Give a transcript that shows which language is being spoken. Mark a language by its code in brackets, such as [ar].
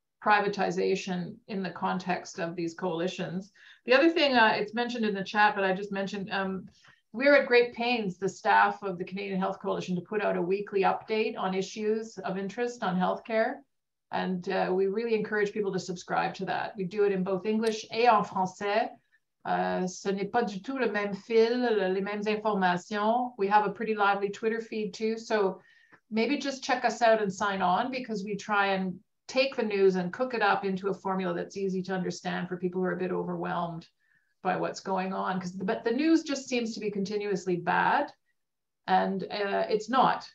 [en] Privatization in the context of these coalitions. The other thing, it's mentioned in the chat, but I just mentioned, we're at great pains, the staff of the Canadian Health Coalition, to put out a weekly update on issues of interest on healthcare. And we really encourage people to subscribe to that. We do it in both English [fr] et en français. Ce n'est pas du tout le même fil, les mêmes informations. [en] We have a pretty lively Twitter feed too. So maybe just check us out and sign on, because we try and take the news and cook it up into a formula that's easy to understand for people who are a bit overwhelmed by what's going on. But the news just seems to be continuously bad, and it's not.